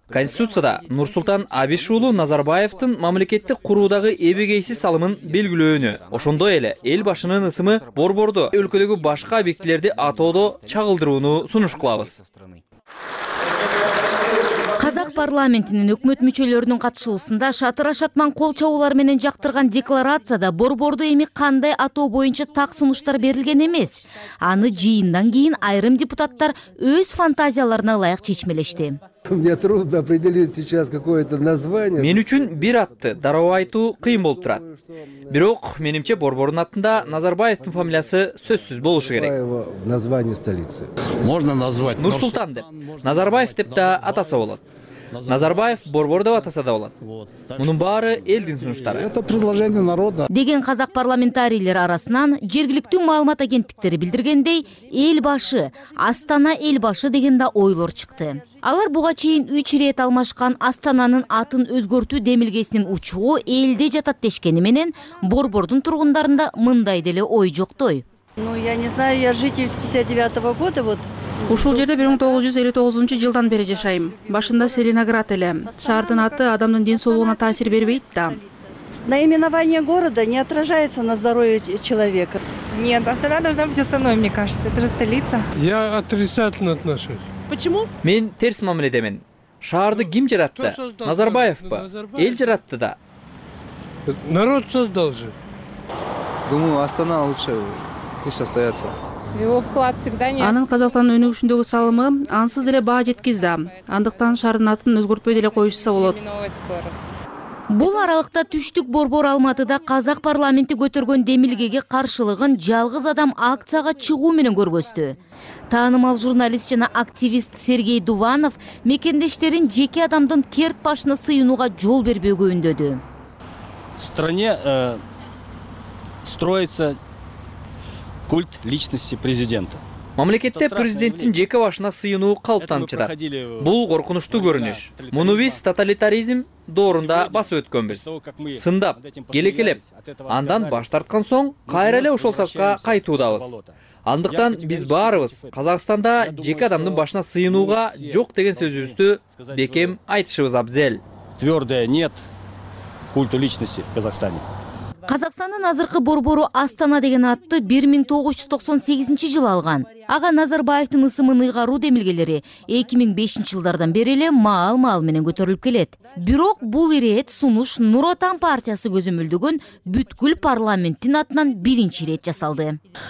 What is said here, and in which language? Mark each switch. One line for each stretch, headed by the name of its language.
Kyrgyz: Конституцияда Нурсултан Абишулу Назарбаевдин мамлекетти куруудагы эбегейсиз салымын белгилөөнү, ошондой эле эл башынын ысымы Борборду өлкөдөгү башка объектилерди атоодо чагылдырууну сунуш кылабыз. Казак парламентинин өкмөт мүчөлөрүнүн катышуусунда шатыр ашатман кол чабуулар менен жактырган декларацияда Борборду эми кандай атоо боюнча так сунуштар берилген эмес. Аны жыйындан кийин айрым депутаттар өз фантазияларына ылайык чечмелешти.
Russian: Мне трудно определить сейчас какое-то название.
Kyrgyz: Мен үчүн бир атты дароо айтуу кыйын болуп турат. Бирок менимче Борбордун атында Назарбаевдин фамилиясы сөзсүз болушу керек.
Russian: Название столицы. Можно назвать
Kyrgyz: Нурсултан деп. Назарбаев деп да атаса болот. Назарбаев Борбор деп атаса да болот. Мунун баары элдин сунуштары.
Russian: Это предложение народа.
Kyrgyz: Деген казак парламентарийлер арасынан жергиликтүү маалымат агенттиктери билдиргендей, эл башы, Астана эл башы деген да ойлор чыкты. Алар буга чейин 3 ирет алмашкан Астананын атын өзгөртүү демилгесинин учугу элде жатат дешкени менен Борбордун тургундарында мындай деле ой жоктой.
Russian: Ну я не знаю, я житель с 59-го года, вот.
Kyrgyz: Ушул жерде 1959 жылдан бери жашайм. Башында Селиноград эле. Шаардын аты адамдын ден соолугуна таасир бербейт да.
Russian: Наименование города не отражается на здоровье человека. Нет, Астана должна быть Астаной, мне кажется. Это же столица. Я отрицательно отношусь. Почему?
Kyrgyz: Мен терс мамиледемин. Шаарды ким жаратты? Назарбаевпы? Эл жаратты да.
Russian: Народ создал же. Думаю, Астана лучше. Пусть остается. Его вклад всегда нет.
Kyrgyz: Анын Казакстандын өнүгүшүндөгү салымы ансыз эле баа жеткизди. Андыктан шаардын атын өзгөртпөй деле коюшса болот. Бул аралыкта түштүк Борбор Алматыда Казак парламенти көтөргөн демилгеге каршылыгын жалгыз адам акцияга чыгуу менен көргөздү. Таанымал журналист жана активист Сергей Дуванов мекендештерин жеке адамдын керт башына сыйынууга жол бербөөгө үндөдү.
Russian: В стране строится культ личности президента.
Kyrgyz: Мамлекетте президенттин жеке башына сыйынуу калыптанып жатат. Бул коркунучтуу көрүнүш. Муну биз тоталитаризм доорунда басып өткөнбүз. Сындап, келекелеп, андан баш тарткан соң кайра эле ошол сапка кайтуудабыз. Андыктан биз баарыбыз Казакстанда жеке адамдын башына сыйынууга жок деген сөзүбүздү бекем айтышыбыз абзел.
Russian: Твердое нет культу личности в Казахстане.
Kyrgyz: Казакстандын азыркы борбору Астана деген атты 1998 жылы алган. Ага Назарбаевдин ысымын ыйгаруу демилгелери 2005 жылдардан бери эле маал-маал менен көтөрүлүп келет. Бирок бул ирээт сунуш Нур Отан партиясы көзөмөлдөгөн бүткүл парламенттин атынан биринчи ирээт жасалды.